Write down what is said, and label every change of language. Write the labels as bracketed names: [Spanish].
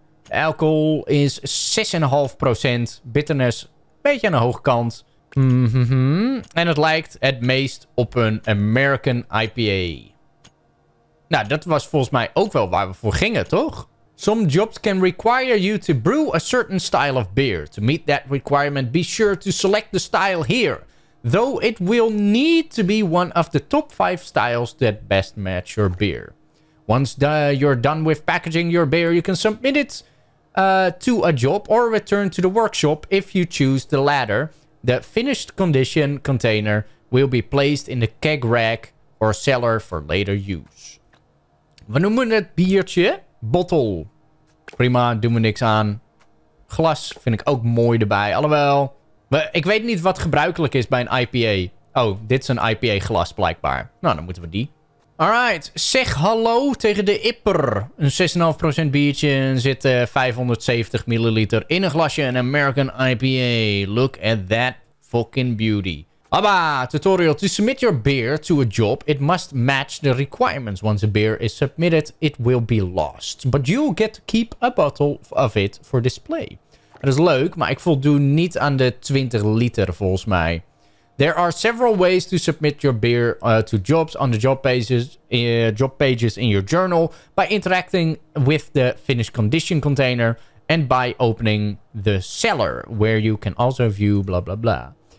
[Dutch] Alcohol is 6,5%. Bitterness een beetje aan de hoge kant. Mm-hmm. En het lijkt het meest op een American IPA. Nou, dat was volgens mij ook wel waar we voor gingen, toch? [English] Some jobs can require you to brew a certain style of beer. To meet that requirement, be sure to select the style here. Though it will need to be one of the top 5 styles that best match your beer. Once you're done with packaging your beer, you can submit it to a job or return to the workshop if you choose the latter. The finished condition container will be placed in the keg rack or cellar for later use. [Dutch] We noemen het biertje bottle. Prima, doen we niks aan. Glas vind ik ook mooi erbij. Alhoewel, ik weet niet wat gebruikelijk is bij een IPA. Oh, dit is een IPA glas blijkbaar. Nou, dan moeten we die. Alright, zeg hallo tegen de Ipper. Een 6,5% biertje en zit 570 milliliter in een glasje. Een American IPA. [English] Look at that fucking beauty. Abba, tutorial. To submit your beer to a job, it must match the requirements. Once a beer is submitted, it will be lost. But you'll get to keep a bottle of it for display. [Dutch] Dat is leuk, maar ik voldoe niet aan de 20 liter volgens mij. [English] There are several ways to submit your beer to jobs on the job pages in your journal. By interacting with the finished condition container. And by opening the cellar, where you can also view blah blah blah.